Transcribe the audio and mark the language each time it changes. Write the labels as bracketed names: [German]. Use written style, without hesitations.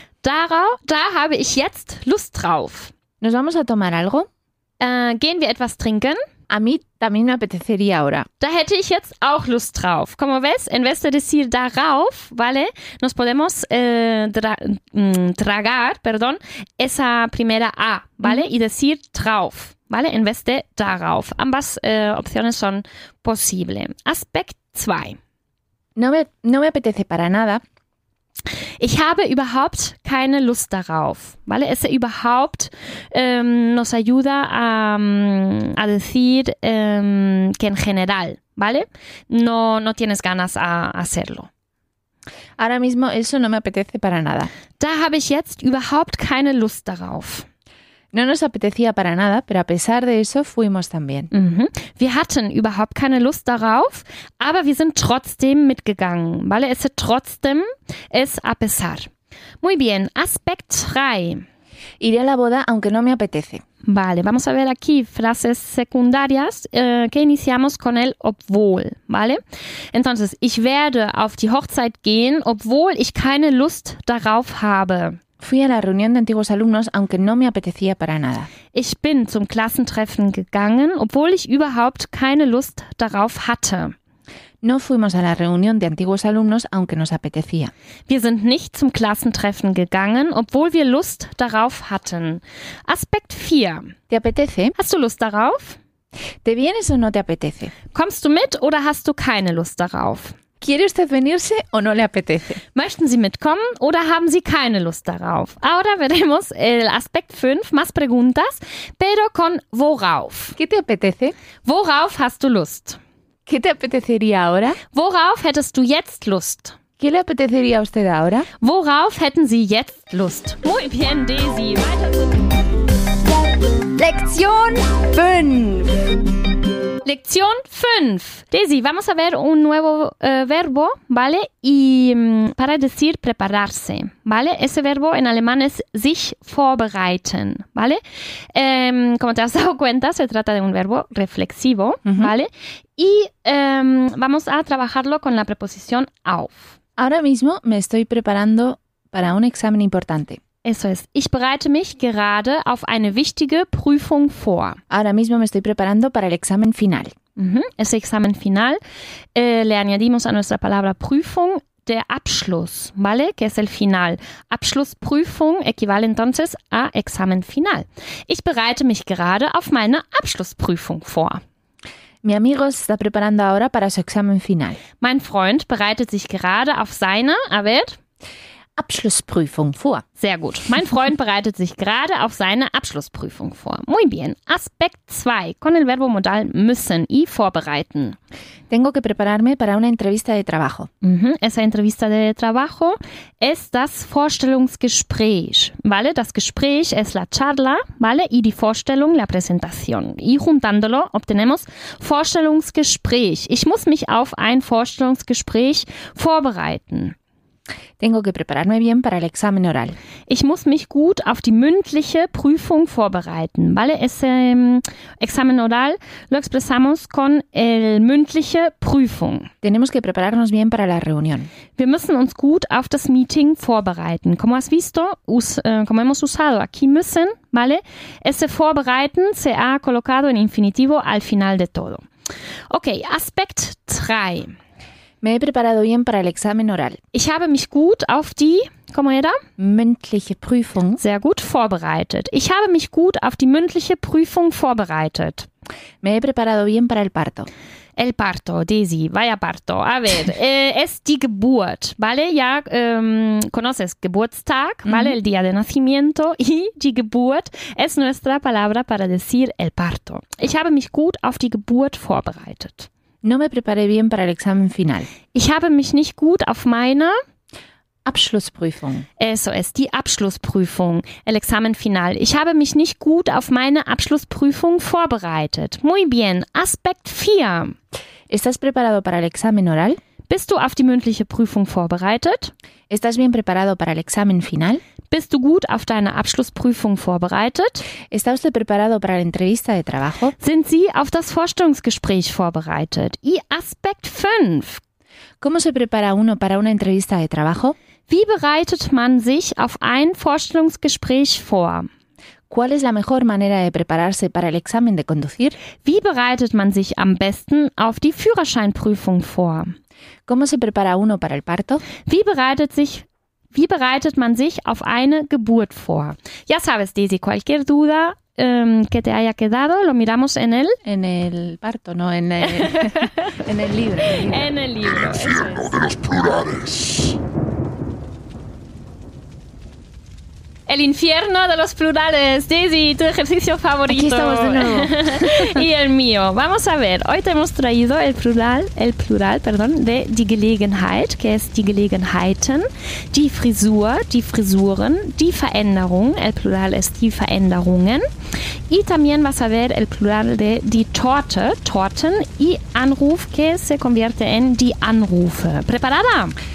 [German] Da habe ich jetzt Lust drauf. [Spanish] ¿Nos vamos a tomar algo? [German] ¿Gehen wir etwas trinken? [Spanish] A mí también me apetecería ahora. [German] Da hätte ich jetzt auch Lust drauf. [Spanish] Como ves, en vez de decir darauf, ¿vale? [German] Nos podemos [Spanish] tragar esa primera A, ¿vale? Mm-hmm. Y decir drauf, ¿vale? En vez de darauf. Ambas opciones son posibles. [German] Aspekt 2. [Spanish] No me apetece para nada. [German] Ich habe überhaupt keine Lust darauf, [Spanish] ¿vale? Ese überhaupt nos ayuda a decir que en general, ¿vale? No tienes ganas a hacerlo. Ahora mismo eso no me apetece para nada. [German] Da habe ich jetzt überhaupt keine Lust darauf. [Spanish] No nos apetecía para nada, pero a pesar de eso fuimos también. Mm-hmm. [German] Wir hatten überhaupt keine Lust darauf, aber wir sind trotzdem mitgegangen, [Spanish] ¿vale? Ese trotzdem es a pesar. Muy bien, aspect 3. Iré a la boda aunque no me apetece. Vale, vamos a ver aquí frases secundarias que iniciamos con el obwohl, ¿vale? [German] Entonces, ich werde auf die Hochzeit gehen, obwohl ich keine Lust darauf habe. [Spanish] Fui a la reunión de antiguos alumnos, aunque no me apetecía para nada. [German] Ich bin zum Klassentreffen gegangen, obwohl ich überhaupt keine Lust darauf hatte. [Spanish] No fuimos a la reunión de antiguos alumnos, aunque nos apetecía. [German] Wir sind nicht zum Klassentreffen gegangen, obwohl wir Lust darauf hatten. Aspekt 4. [Spanish] ¿Te apetece? [German] Hast du Lust darauf? [Spanish] ¿Te vienes o no te apetece? [German] Kommst du mit oder hast du keine Lust darauf? [Spanish] ¿Quiere usted venirse o no le apetece? [German] ¿Möchten Sie mitkommen oder haben Sie keine Lust darauf? [Spanish] Ahora veremos el aspecto 5, más preguntas, pero con worauf. ¿Qué te apetece? [German] ¿Worauf hast du Lust? [Spanish] ¿Qué te apetecería ahora? [German] ¿Worauf hättest du jetzt Lust? [Spanish] ¿Qué le apetecería a usted ahora? [German] ¿Worauf hätten Sie jetzt Lust? [Spanish] Muy bien, Daisy. [German] Weiter. [Spanish] Lección 5. Lección 5. Daisy, vamos a ver un nuevo verbo, ¿vale? Y para decir prepararse, ¿vale? Ese verbo en alemán es sich vorbereiten, ¿vale? Como te has dado cuenta, se trata de un verbo reflexivo, uh-huh, ¿vale? Y vamos a trabajarlo con la preposición auf. Ahora mismo me estoy preparando para un examen importante. Eso es. [German] Ich bereite mich gerade auf eine wichtige Prüfung vor. [Spanish] Ahora mismo me estoy preparando para el examen final. Mm-hmm. Ese examen final le añadimos a nuestra palabra Prüfung der Abschluss, ¿vale? Que es el final. Abschlussprüfung equivale entonces a examen final. [German] Ich bereite mich gerade auf meine Abschlussprüfung vor. [Spanish] Mi amigo se está preparando ahora para su examen final. [German] Mein Freund bereitet sich gerade auf seine, [Spanish] a ver... [German] Abschlussprüfung vor. Sehr gut. Mein Freund bereitet sich gerade auf seine Abschlussprüfung vor. [Spanish] Muy bien. Aspekt 2. Con el verbo modal müssen y vorbereiten. Tengo que prepararme para una entrevista de trabajo. Mm-hmm. Esa entrevista de trabajo es das Vorstellungsgespräch. ¿Vale? Das Gespräch es la charla, ¿vale? Y die Vorstellung, la Präsentation. Y juntándolo obtenemos Vorstellungsgespräch. [German] Ich muss mich auf ein Vorstellungsgespräch vorbereiten. [Spanish] Tengo que prepararme bien para el examen oral. [German] Ich muss mich gut auf die mündliche Prüfung vorbereiten. [Spanish] ¿Vale? Ese examen oral lo expresamos con el mündliche Prüfung. Tenemos que prepararnos bien para la reunión. [German] Wir müssen uns gut auf das Meeting vorbereiten. [Spanish] Como has visto, como hemos usado aquí müssen, ¿vale? Ese vorbereiten se ha colocado en infinitivo al final de todo. [German] Okay, Aspekt 3. [Spanish] Me he preparado bien para el examen oral. [German] Ich habe mich gut auf die, [Spanish] ¿cómo era? [German] Mündliche Prüfung. Sehr gut, vorbereitet. Ich habe mich gut auf die mündliche Prüfung vorbereitet. [Spanish] Me he preparado bien para el parto. El parto, Daisy, vaya parto. A ver, es die Geburt, ¿vale? Ya conoces Geburtstag, ¿vale? Uh-huh. El día de nacimiento. Y die Geburt es nuestra palabra para decir el parto. [German] Ich habe mich gut auf die Geburt vorbereitet. [Spanish] No me preparé bien para el examen final. [German] Ich habe mich nicht gut auf meine... Abschlussprüfung. [Spanish] Eso es, die Abschlussprüfung, el examen final. [German] Ich habe mich nicht gut auf meine Abschlussprüfung vorbereitet. [Spanish] Muy bien, Aspekt 4. ¿Estás preparado para el examen oral? [German] Bist du auf die mündliche Prüfung vorbereitet? [Spanish] ¿Estás bien preparado para el examen final? [German] Bist du gut auf deine Abschlussprüfung vorbereitet? [Spanish] ¿Está usted preparado para la entrevista de trabajo? [German] Sind Sie auf das Vorstellungsgespräch vorbereitet? [Spanish] Y Aspekt 5. ¿Cómo se prepara uno para una entrevista de trabajo? [German] Wie bereitet man sich auf ein Vorstellungsgespräch vor? [Spanish] ¿Cuál es la mejor manera de prepararse para el examen de conducir? [German] Wie bereitet man sich am besten auf die Führerscheinprüfung vor? [Spanish] ¿Cómo se prepara uno para el parto? [German] Wie bereitet man sich auf eine Geburt vor? [Spanish] Ya sabes, Daisy, cualquier duda que te haya quedado, lo miramos en el... En el parto, no, en el... en el libro. En el libro. El infierno de los plurales. El infierno de los plurales. Daisy, tu ejercicio favorito. Aquí estamos de nuevo. Y el mío. Vamos a ver. Hoy te hemos traído el plural, de die Gelegenheit, que es die Gelegenheiten, die Frisur, die Frisuren, die Veränderung. El plural es die Veränderungen. Y también vas a ver el plural de die Torte, Torten, y Anruf, que se convierte en die Anrufe. ¿Preparada?